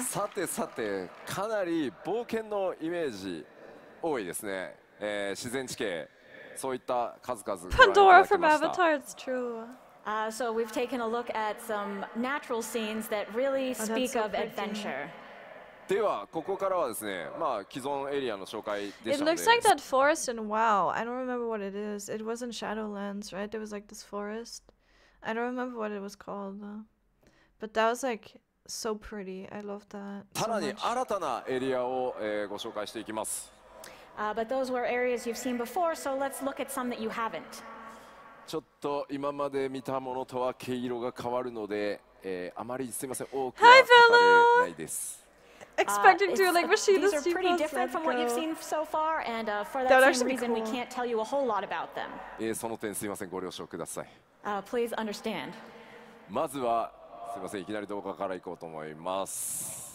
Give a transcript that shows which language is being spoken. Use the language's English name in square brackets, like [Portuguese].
[Japanese] さてさて、かなり冒険のイメージ多いですね。自然地形、そういった数々ご覧いただきました。 [English] Pandora from Avatar, it's true. So we've taken a look at some natural scenes that really speak of adventure. [Japanese] ではここからはですね、まあ既存エリアの紹介でした [English] ね。It looks like that forest in WoW. I don't remember what it is. It was in Shadowlands, right? There was like this forest. I don't remember what it was called, though. But that was like so pretty. I love that. [Japanese] さらに新たなエリアを、ご紹介していきます。 [English] But those were areas you've seen before, so let's look at some that you haven't. [Japanese] ちょっと今まで見たものとは毛色が変わるので、あまりすみません、多くは語れないです。 [English] Hi, fellow! Expecting to like machine this. These are pretty different from what you've seen so far, and for that same reason, cool. we can't tell you a whole lot about them. [Japanese] その点すいませんご了承ください。 [English] Please understand. [Japanese] まずはすいませんいきなり動画から行こうと思います。